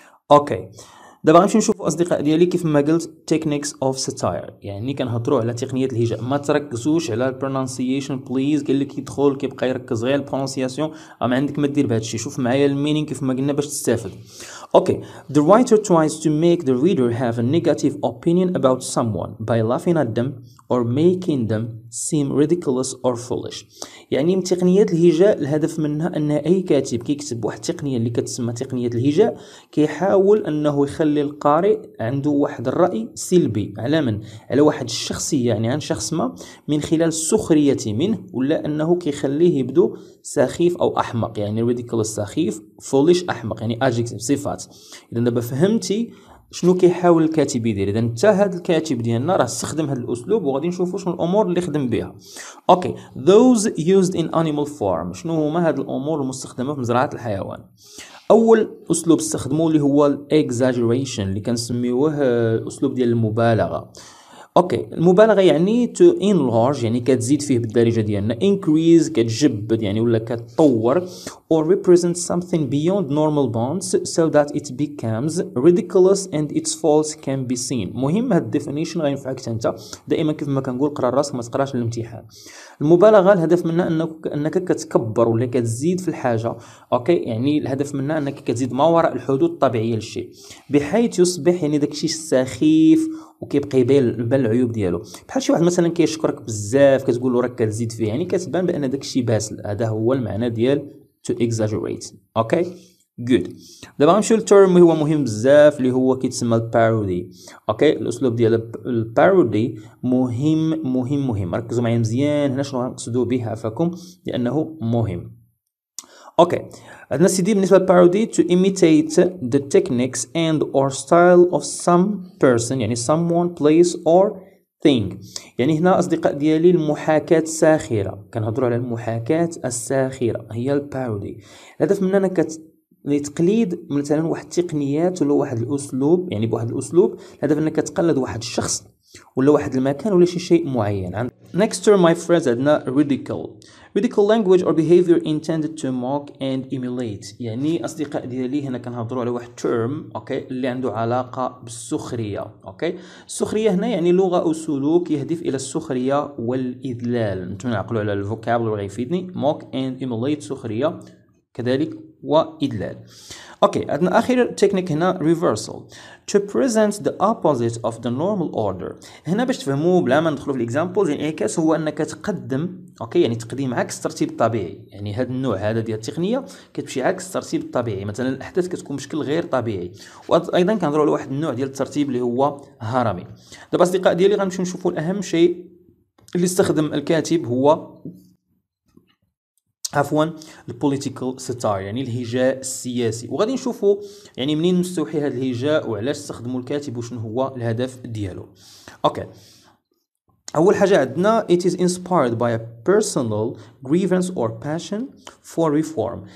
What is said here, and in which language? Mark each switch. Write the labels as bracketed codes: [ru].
[ar] أوكي دابا غنمشيو نشوفو أصدقاء ديالي كيف ما قلت تكنيكس أوف ستاير، يعني كنهضرو على تقنيات الهجاء. ما تركزوش على البرونسيشن بليز، قال لك يدخل كيبقى يركز غير البرونسيشن، أما عندك ما دير بهادشي. شوف معايا المينينغ كيف ما قلنا باش تستافد. [en] Okay, the writer tries to make the reader have a negative opinion about someone by laughing at them or making them seem ridiculous or foolish. [ar] يعني تقنيات الهجاء الهدف منها أن أي كاتب كيكتب واحد تقنية اللي كتسمى تقنية الهجاء كيحاول أنه يخلي القارئ عنده واحد الرأي سلبي على من؟ على واحد الشخصية، يعني عن شخص ما، من خلال سخرية منه، ولا أنه كيخليه يبدو سخيف أو أحمق، يعني ridiculous سخيف، foolish أحمق، يعني adjective صفة. إذا دابا فهمتي شنو كيحاول الكاتب يدير. إذا انت هذا الكاتب ديالنا راه استخدم هذا الأسلوب، وغادي نشوفوا شنو الأمور اللي خدم بها. أوكي، [en] those used in animal farm، [ar] شنو هما هاد الأمور المستخدمة في مزرعة الحيوان؟ أول أسلوب استخدموه اللي هو exaggeration اللي كنسميوه أسلوب ديال المبالغة. أوكي، المبالغة يعني [en] to enlarge، [ar] يعني كتزيد فيه بالدارجة ديالنا، [en] increase [ar] كتجبد يعني ولا كتطور، [en] or represent something beyond normal bounds so that it becomes ridiculous and its faults can be seen. [ar] مهم هاد الديفينيشن غينفعك حتى انت، دائما كيف ما كنقول قرا راسك ما تقراش الامتحان. المبالغة الهدف منها انك كتكبر ولا كتزيد في الحاجة، اوكي، يعني الهدف منها انك كتزيد ما وراء الحدود الطبيعية للشيء، بحيث يصبح يعني داكشي سخيف وكيبقى يبان العيوب ديالو. بحال شي واحد مثلا كيشكرك بزاف كتقول له راك كتزيد فيه، يعني كتبان بان داكشي باسل. هذا هو المعنى ديال to exaggerate. اوكي جود، دابا غنمشيو للترم هو مهم بزاف اللي هو كيتسمى البارودي. اوكي الاسلوب ديال البارودي مهم مهم مهم، ركزوا معايا مزيان هنا شنو غنقصدوا بها فكم، لانه مهم. اوكي عندنا سيدي بالنسبه للبارودي [en] to imitate the techniques and or style of some person، يعني someone place or thing. [ar] يعني هنا أصدقاء ديالي المحاكاة الساخرة، كنهضروا على المحاكاة الساخرة هي البارودي. الهدف من أنك تقليد مثلا واحد التقنيات ولا واحد الأسلوب، يعني بواحد الأسلوب الهدف أنك تقلد واحد الشخص ولا واحد المكان ولا شيء معين. [en] Next term my friends [ar] عندنا [en] ridicule. Ridicule language or behavior intended to mock and emulate. [ar] يعني أصدقاء ديالي هنا كنهضروا على واحد term أوكي اللي عنده علاقة بالسخرية. أوكي السخرية هنا يعني لغة أو سلوك يهدف إلى السخرية والإذلال. أنتم نعقلوا على الفوكابلري غيفيدني. [en] mock and emulate [ar] سخرية كذلك وإدلال. أوكي عندنا آخر تكنيك هنا [en] reversal to present the opposite of the normal order. [ar] هنا باش تفهموا بلا ما ندخلوا في الإكزامبلز، يعني إنعكاس هو أنك تقدم أوكي يعني تقديم عكس الترتيب الطبيعي، يعني هذا النوع هذا ديال التقنية كتمشي عكس الترتيب الطبيعي، مثلا الأحداث كتكون بشكل غير طبيعي. وأيضا كنهضروا على واحد النوع ديال الترتيب اللي هو هرمي. دابا أصدقاء ديالي غنمشيو نشوفوا الأهم شيء اللي استخدم الكاتب هو عفوا البوليتيكال ستار، يعني الهجاء السياسي، وغادي نشوفوا يعني منين مستوحي هذا الهجاء وعلاش استخدمه الكاتب وشنو هو الهدف ديالو. اوكي اول حاجه عندنا [en] it is inspired by a personal grievance or passion for reform.